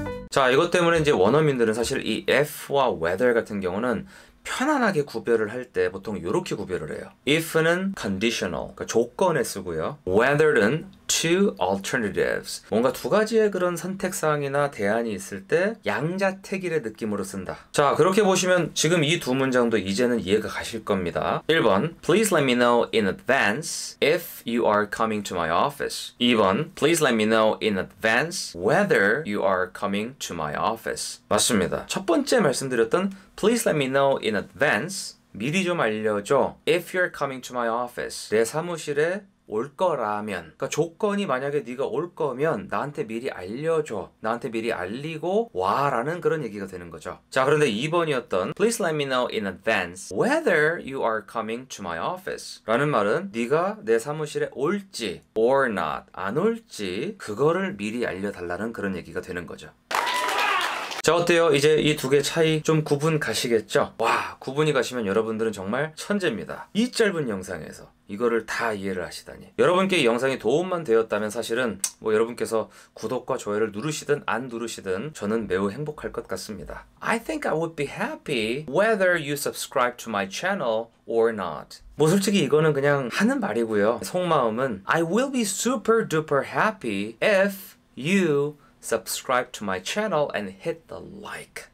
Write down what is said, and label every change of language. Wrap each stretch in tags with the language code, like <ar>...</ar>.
<ko>자, 이것 때문에 이제 원어민들은 사실 이 if와 whether 같은 경우는 편안하게 구별을 할 때 보통 이렇게 구별을 해요. If는 conditional, 그러니까 조건에 쓰고요. Whether는</ko> <en>two alternatives,</en> <ko>뭔가 두 가지의 그런 선택사항이나 대안이 있을 때 양자택일의 느낌으로 쓴다. 자, 그렇게 보시면 지금 이 두 문장도 이제는 이해가 가실 겁니다.</ko> <en>1번 Please let me know in advance if you are coming to my office. 2번 Please let me know in advance whether you are coming to my office.</en> <ko>맞습니다. 첫 번째 말씀드렸던</ko> <en>Please let me know in advance,</en> <ko>미리 좀 알려줘.</ko> <en>If you're coming to my office,</en> <ko>내 사무실에 올 거라면, 그러니까 조건이 만약에 네가 올 거면 나한테 미리 알려줘, 나한테 미리 알리고 와 라는 그런 얘기가 되는 거죠. 자, 그런데 2번이었던</ko> <en>Please let me know in advance whether you are coming to my office</en> <ko>라는 말은 네가 내 사무실에 올지 or not 안 올지 그거를 미리 알려달라는 그런 얘기가 되는 거죠. 자, 어때요? 이제 이 두 개 차이 좀 구분 가시겠죠? 와, 구분이 가시면 여러분들은 정말 천재입니다. 이 짧은 영상에서 이거를 다 이해를 하시다니. 여러분께 이 영상이 도움만 되었다면 사실은 뭐 여러분께서 구독과 좋아요를 누르시든 안 누르시든 저는 매우 행복할 것 같습니다.</ko> <en>I think I would be happy whether you subscribe to my channel or not.</en> <ko>뭐 솔직히 이거는 그냥 하는 말이고요. 속마음은</ko> <en>I will be super duper happy if you subscribe to my channel and hit the like.</en>